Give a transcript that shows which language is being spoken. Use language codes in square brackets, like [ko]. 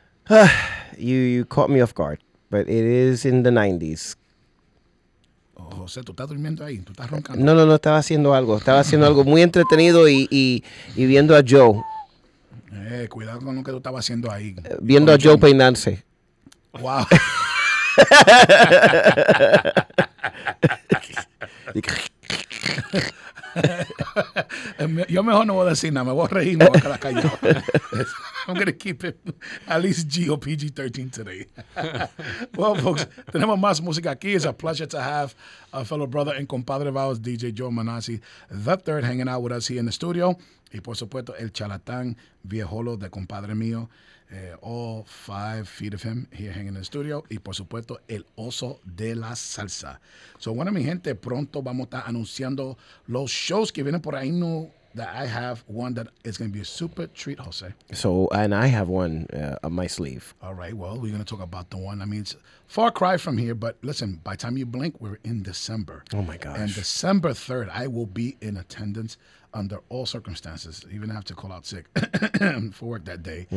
[en] Right now, you caught me off guard, but it is in the 90s. [es] Oh, José, tú estás durmiendo ahí, tú estás roncando. No, estaba haciendo algo. Estaba haciendo algo muy entretenido y viendo a Joe. Cuidado con lo que tú estabas haciendo ahí. Viendo a Joe peinarse. [en] Wow. [es] Yo mejor no voy a decir nada, me voy a reír, me voy a quedar callado. [en] I'm going to keep it at least GOPG-13 today. Well, folks, [es] tenemos más música aquí. [en] It's a pleasure to have a fellow brother and compadre of ours, DJ Joe Manasi, the third, hanging out with us here in the studio. [es] Y, por supuesto, el charlatán viejolo de compadre mío, [en] all 5 feet of him here hanging in the studio. [es] Y, por supuesto, el oso de la salsa. So, bueno, mi gente, pronto vamos a estar anunciando los shows que vienen por ahí. [en] No, that I have one that is going to be a super treat, Jose. So, and I have one up my sleeve. All right, well, we're going to talk about the one. I mean, it's far cry from here, but listen, by the time you blink, we're in December. Oh, my gosh. And December 3rd, I will be in attendance under all circumstances, even have to call out sick for work that day.